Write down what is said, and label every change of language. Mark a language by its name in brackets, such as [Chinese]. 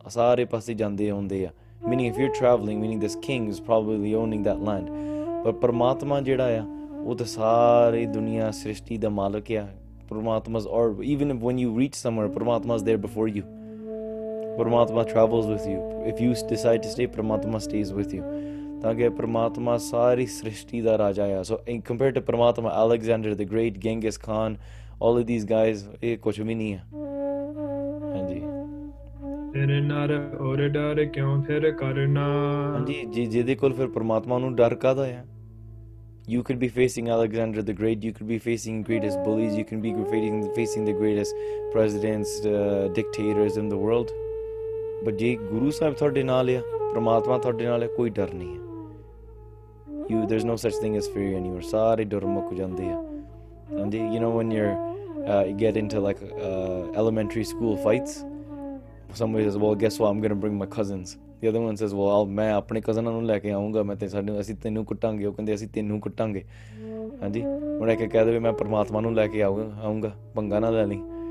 [Punjabi] Sare passe jande hunde aa, [English] meaning if you're traveling, meaning this king is probably owning that land. [Punjabi] But Paramatma jehda aa, oh ta sare duniya srishti da malik aa. [English] Paramatma's, or even if when you reach somewhere, Paramatma's there before you. Paramatma travels with you. If you decide to stay, Paramatma stays with you. [Punjabi] ਤਾਂ ਪਰਮਾਤਮਾ ਸਾਰੀ ਸ੍ਰਿਸ਼ਟੀ ਦਾ ਰਾਜਾ ਆ ਸੋ [English] in compare to [Punjabi] ਪਰਮਾਤਮਾ Alexander the great ਗੈਂਗਿਸ Khan [English] all of these guys [Punjabi] ਇਹ ਕੁਛ ਵੀ ਨਹੀਂ ਆ ਹਾਂਜੀ ਤੇਰੇ ਨਰ ਔਰ ਡਰ ਕਿਉਂ ਫਿਰ ਕਰਨਾ ਹਾਂਜੀ ਜੇ ਜਿਹਦੇ ਕੋਲ ਫਿਰ ਪਰਮਾਤਮਾ ਨੂੰ ਡਰ ਕਾਹਦਾ ਆ [English] you can be facing Alexander the great you can be facing greatest bullies you can be facing the greatest presidents dictators in the world but [Punjabi] ਜੇ ਗੁਰੂ ਸਾਹਿਬ ਤੁਹਾਡੇ ਨਾਲ ਆ ਪਰਮਾਤਮਾ ਤੁਹਾਡੇ ਨਾਲ ਆ ਕੋਈ ਡਰ ਨਹੀਂ ਆ [English] You, there's no such thing as fear anymore. [Punjabi] Sare dharmak jande ya. [English] And you know when you're you get into like elementary school fights, somebody says, "Well, guess what? I'm gonna bring my cousins." The other one says, "Well, [Punjabi] ਮੈਂ ਆਪਣੇ ਕਜ਼ਨਾਂ ਨੂੰ ਲੈ ਕੇ ਆਊਂਗਾ, ਮੈਂ ਤੇ ਸਾਨੂੰ ਅਸੀਂ ਤੈਨੂੰ ਕੁੱਟਾਂਗੇ." ਉਹ ਕਹਿੰਦੇ, "ਅਸੀਂ ਤੈਨੂੰ ਕੁੱਟਾਂਗੇ." ਹਾਂਜੀ, ਹੁਣ ਇੱਕ ਕਹਿ ਦੇਵੇ, "ਮੈਂ ਪਰਮਾਤਮਾ ਨੂੰ ਲੈ ਕੇ ਆਊਂਗਾ, ਪੰਗਾ ਨਾ ਲੈ ਲਈ."